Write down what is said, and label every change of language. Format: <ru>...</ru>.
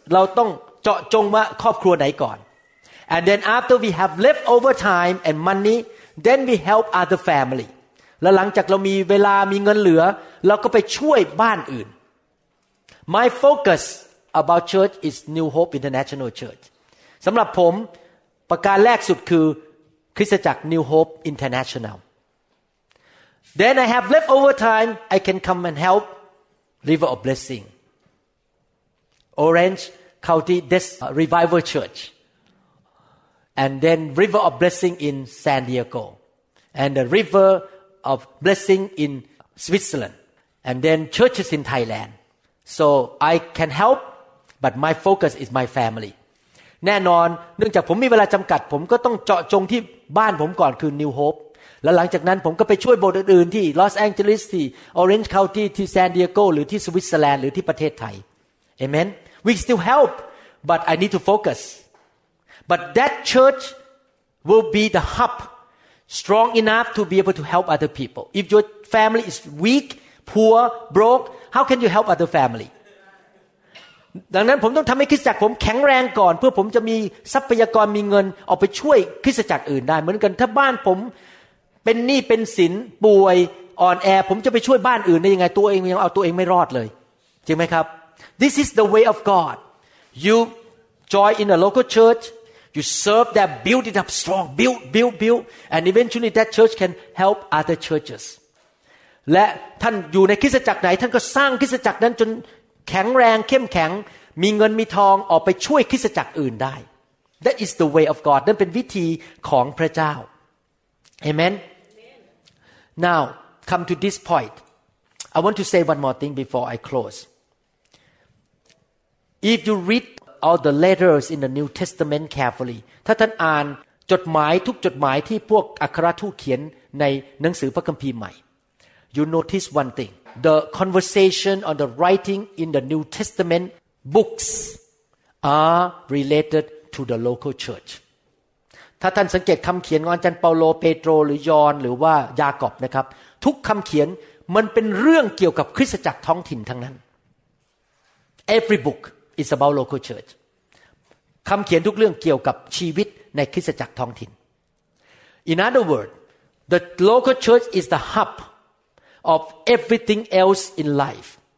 <th>เราต้องเจาะจงว่าครอบครัวไหนก่อน</th> <en>And then after we have leftover time and money,Then we help other family.</en> <th>และหลังจากเรามีเวลามีเงินเหลือเราก็ไปช่วยบ้านอื่น</th> <en>My focus about church is New Hope International Church.</en> <th>สำหรับผมประการแรกสุดคือคริสตจักร New Hope International.</th> <en>Then I have leftover time. I can come and help River of Blessing, Orange County Revival Church. And then River of Blessing in San Diego. And the River of Blessing in Switzerland. And then churches in Thailand. So I can help, but my focus is my family.</en> <th>แน่นอนเนื่องจากผมมีเวลาจำกัดผมก็ต้องเจาะจงที่บ้านผมก่อนคือ New Hope. และหลังจากนั้นผมก็ไปช่วยโบสถ์อื่นๆที่ Los Angeles, ที่ Orange County, ที่ San Diego, หรือที่ Switzerland, หรือที่ประเทศไทย.</th> <en>Amen. We still help, but I need to focus. But that church will be the hub, strong enough to be able to help other people. If your family is weak, poor, broke, how can you help other family?</en> <th>ดังนั้นผมต้องทำให้คริสตจักรผมแข็งแรงก่อนเพื่อผมจะมีทรัพยากรมีเงินออกไปช่วยคริสตจักรอื่นได้เหมือนกันถ้าบ้านผมเป็นหนี้เป็นสินป่วยอ่อนแอผมจะไปช่วยบ้านอื่นได้ยังไงตัวเองยังเอาตัวเองไม่รอดเลยจริงไหมครับ</th> <en>This is the way of God. You join in a local church. You serve that, build it up strong, build, and eventually that church can help other churches.</en> <th>และท่านอยู่ในคริสตจักรไหนท่านก็สร้างคริสตจักรนั้นจนแข็งแรงเข้มแข็งมีเงินมีทองออกไปช่วยคริสตจักรอื่นได้</th> <en>That is the way of God.</en> <th>นั่นเป็นวิธีของพระเจ้า Amen.</th> <en>Now come to this point. I want to say one more thing before I close. If you readAll the letters in the New Testament carefully.</en> <th>ถ้าท่านอ่านจดหมายทุกจดหมายที่พวกอัครทูตเขียนในหนังสือพระคัมภีร์ใหม่</th> <en>you notice one thing. The conversation on the writing in the New Testament books are related to the local church.</en> <th>ถ้าท่านสังเกตคำเขียนของอาจารย์เปาโลเปโตรหรือยอห์นหรือว่ายากอบนะครับทุกคำเขียนมันเป็นเรื่องเกี่ยวกับคริสตจักรท้องถิ่นทั้งนั้น</th> <en>every bookIt's about local church.</en> <th>คำเขียนทุกเรื่องเกี่ยวกับชีวิตในคริสตจักรท้องถิ่น</th> <en>In other words, the local church is the hub of everything else in life.</en>